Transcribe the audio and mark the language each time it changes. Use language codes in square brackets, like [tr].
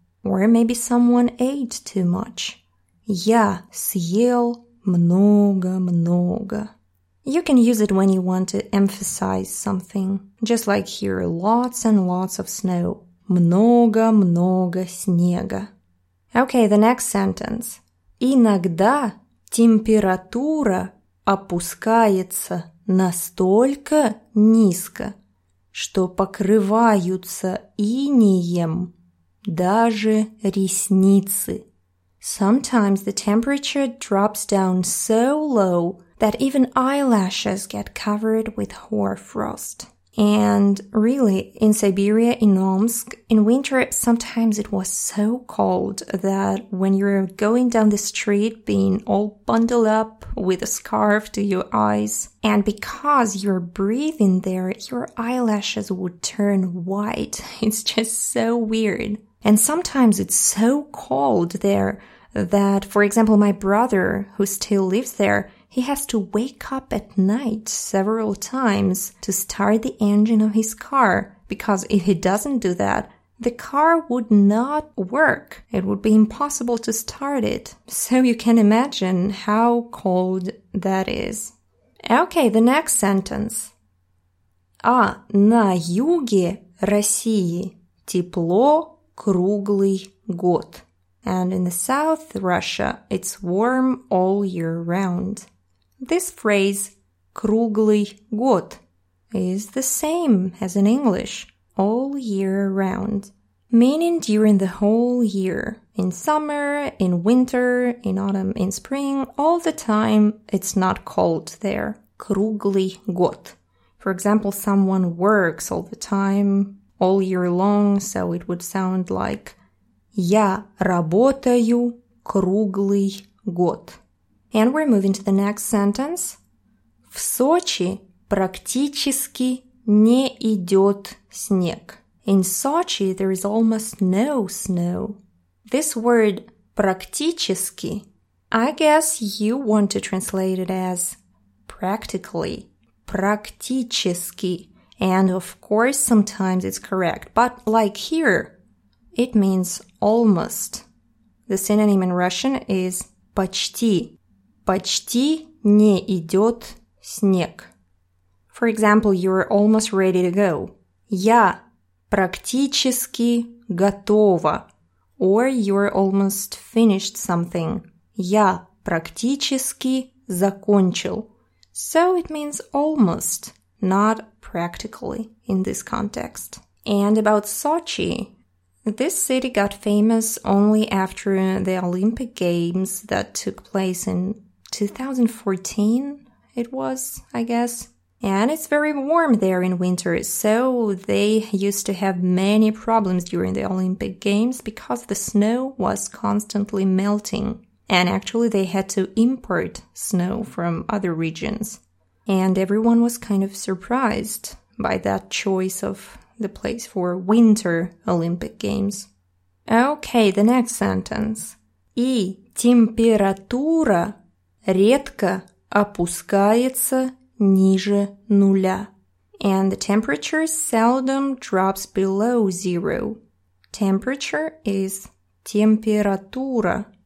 [en] Or maybe someone ate too much. [ru] Я съел много-много. [en] You can use it when you want to emphasize something. Just like here, lots and lots of snow. [ru] Много-много снега. [en] Okay, the next sentence. [ru] Иногда температура опускается настолько низко, что покрываются инеем даже ресницы. [en] Sometimes the temperature drops down so low that even eyelashes get covered with hoarfrost. And really, in Siberia, in Omsk, in winter, sometimes it was so cold that when you're going down the street being all bundled up with a scarf to your eyes, and because you're breathing there, your eyelashes would turn white. It's just so weird. And sometimes it's so cold there that, for example, my brother, who still lives there, he has to wake up at night several times to start the engine of his car, because if he doesn't do that, the car would not work. It would be impossible to start it. So you can imagine how cold that is. Okay, the next sentence. [ru] А на юге России тепло круглый год. [en] And in the south Russia, it's warm all year round. This phrase, [ru] круглый год, [en] is the same as in English, all year round, meaning during the whole year, in summer, in winter, in autumn, in spring, all the time it's not cold there. [ru] Круглый год. [en] For example, someone works all the time, all year long, so it would sound like [ru] я работаю круглый год. [en] And we're moving to the next sentence. [ru] В Сочи практически не идет снег. [en] In Sochi, there is almost no snow. This word практически, I guess you want to translate it as practically. [ru] Практически. [en] And of course, sometimes it's correct. But like here, it means almost. The synonym in Russian is почти. [ru] Почти не идет снег. [en] For example, you're almost ready to go. [ru] Я практически готова. [en] Or you're almost finished something. [ru] Я практически закончил. [en] So it means almost, not practically in this context. And about Sochi. This city got famous only after the Olympic Games that took place in 2014, it was, I guess. And it's very warm there in winter, so they used to have many problems during the Olympic Games because the snow was constantly melting. And actually they had to import snow from other regions. And everyone was kind of surprised by that choice of the place for winter Olympic Games. Okay, the next sentence. [ru] И температура редко опускается ниже нуля. [en] And the temperature seldom drops below zero. Temperature is температура.